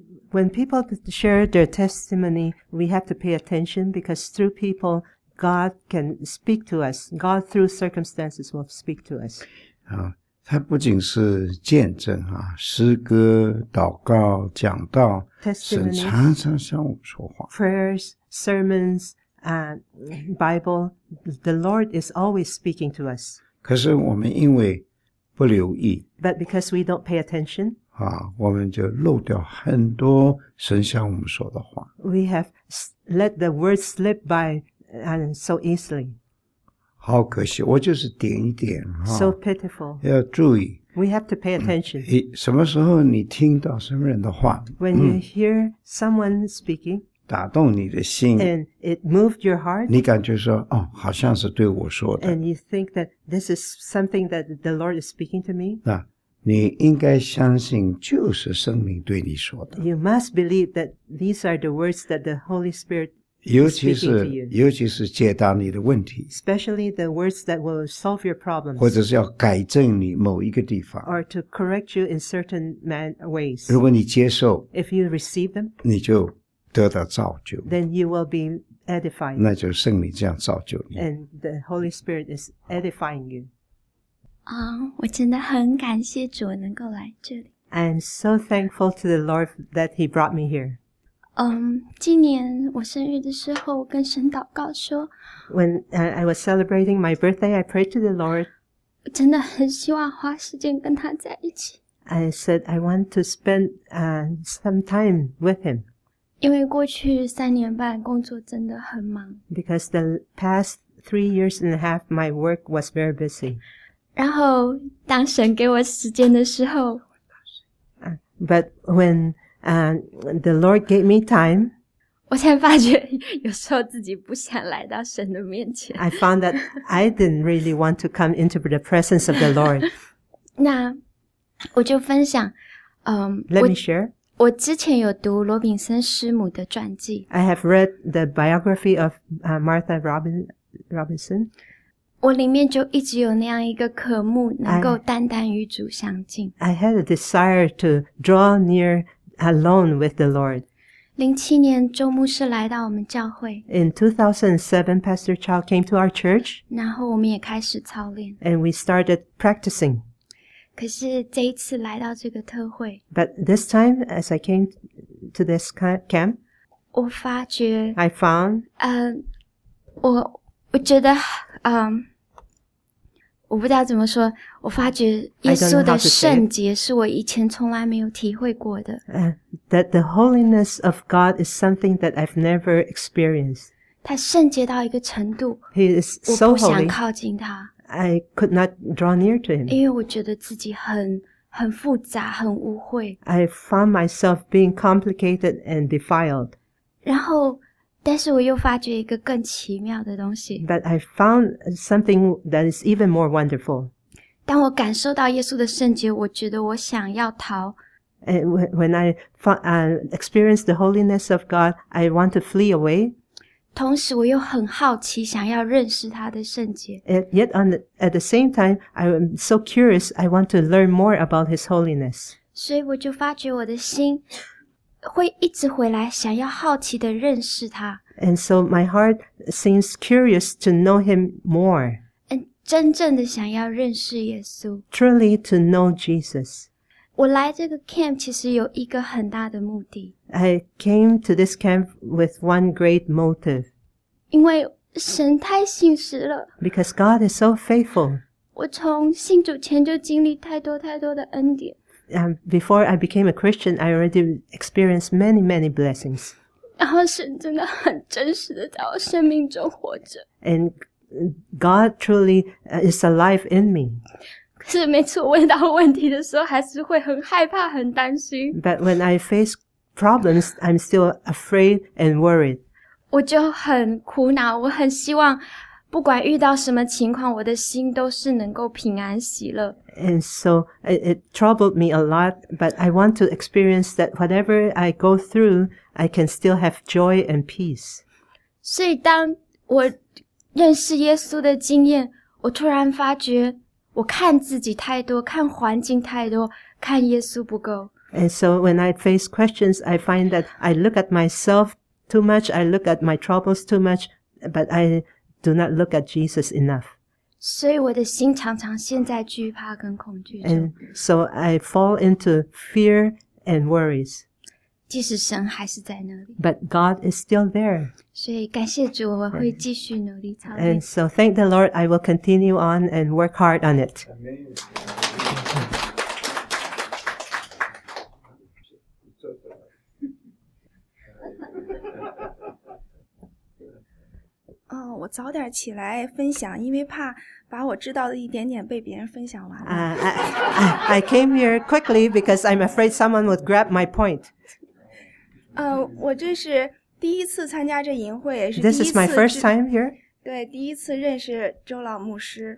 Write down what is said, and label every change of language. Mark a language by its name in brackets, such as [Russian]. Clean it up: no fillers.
[English] When people share their testimony, we have to pay attention because through people, God can speak to us. God through circumstances will speak to us. [Chinese] 好。它不仅是见证啊，诗歌、祷告、讲道，神常常向我们说话。 [English] Prayers, sermons, Bible, the Lord is always speaking to us. [Chinese] 可是我们因为不留意 [English] ，But because we don't pay attention, [Chinese] 啊，我们就漏掉很多神向我们说的话。 [English] We have let the word slip by so easily. [Chinese] 好可惜，我就是点一点。 [English] So pitiful. [Chinese] 要注意。 [English] We have to pay attention. [Chinese] 什么时候你听到什么人的话 [English] ?When you hear someone speaking, [Chinese] 打动你的心 [English] ,and it moved your heart, [Chinese] 你感觉说哦好像是对我说的。 [English] And you think that this is something that the Lord is speaking to me? [Chinese] 那你应该相信就是圣灵对你说的。 [English] You must believe that these are the words that the Holy Spirit [Chinese] 尤其是解答你的问题 [English] especially the words that will solve your problems [Chinese] 或者是要改正你某一个地方 [English] or to correct you in certain ways [Chinese] 如果你接受 [English] if you receive them [Chinese] 你就得到造就 [English] then you will be edified [Chinese] 那就是圣灵这样造就你 [English] and the Holy Spirit is edifying you [Chinese] 啊，我真的很感谢主能够来这里 [English] I'm so thankful to the Lord that he brought me here [Chinese] 今年我生日的时候我跟神祷告说 [English] When I was celebrating my birthday, I prayed to the Lord. [Chinese] 我真的很希望花时间跟他在一起。 [English] I said I want to spend some time with him. [Chinese] 因为过去三年半工作真的很忙。 [English] Because the past 3.5 years, my work was very busy. [Chinese] 然后当神给我时间的时候 [English] But whenThe Lord gave me time. [Chinese] 我才发觉有时候自己不想来到神的面前。 [English] I found that I didn't really want to come into the presence of the Lord. [Chinese] 那我就分享 [English] Let me share. [Chinese] 我之前有读罗炳森师母的传记。 [English] I have read the biography of Martha Robinson. [Chinese] 我里面就一直有那样一个渴慕能够单单与主相近。 [English] I had a desire to draw near Alone with the Lord. [Chinese] 07年周牧师来到我们教会 [English] In 2007, Pastor Chow came to our church. [Chinese] 然后我们也开始操练 [English] And we started practicing. [Chinese] 可是这一次来到这个特会 [English] But this time, as I came to this camp, [Chinese] 我发觉 [English] I found, [Chinese] 我觉得我不知道怎么说我发觉耶稣的圣洁是我以前从来没有体会过的。 [English] That the holiness of God is something that I've never experienced. [Chinese] 他圣洁到一个程度 [English] He is so holy. [Chinese] 我不想靠近他。 [English] I could not draw near to him. [Chinese] 因为我觉得自己很复杂很污秽。 [English] I found myself being complicated and defiled. [Chinese] 然后但是我又发觉一个更奇妙的东西。 [English] But I found something that is even more wonderful. [Chinese] 当我感受到耶稣的圣洁，我觉得我想要逃。 [English] And when I experience the holiness of God, I want to flee away. [Chinese] 同时我又很好奇，想要认识他的圣洁。 [English] Yet at the same time, I am so curious, I want to learn more about his holiness. [Chinese] 所以我就发觉我的心会一直回来，想要好奇的认识他。 [English] And so my heart seems curious to know him more. [Chinese] 真正的想要认识耶稣。 [English] Truly to know Jesus. [Chinese] 我来这个 camp 其实有一个很大的目的。 [English] I came to this camp with one great motive. [Chinese] 因为神太信实了。 [English] Because God is so faithful. [Chinese] 我从信主前就经历太多太多的恩典。 [English] Before I became a Christian, I already experienced many, many blessings. [Chinese] 然后神真的很真实的在我生命中活着。 [English] And God truly is alive in me. [Chinese] 可是每次我问到问题的时候，还是会很害怕，很担心。 [English] But when I face problems, I'm still afraid and worried. [Chinese] 我就很苦恼，我很希望不管遇到什么情况，我的心都是能够平安喜乐。 [English] And so it troubled me a lot, but I want to experience that whatever I go through, I can still have joy and peace. [Chinese] 所以当我认识耶稣的经验，我突然发觉我看自己太多，看环境太多，看耶稣不够。 [English] And so when I face questions, I find that I look at myself too much, I look at my troubles too much, but I... Do not look at Jesus enough. [Chinese] 所以我的心常常陷在惧怕跟恐惧中。 [English] And so I fall into fear and worries. [Chinese] 即使神还是在那里。 [English] But God is still there. [Chinese] 所以感谢主，我会继续努力操练。 [English] And so thank the Lord, I will continue on and work hard on it. [Chinese] 我早点起来分享，因为怕把我知道的一点点被别人分享完了。 [English] I came here quickly because I'm afraid someone would grab my point. [Chinese] 我这是第一次参加这营会，是第一次。 [English] This is my first time here. [Chinese] 对，第一次认识周老牧师。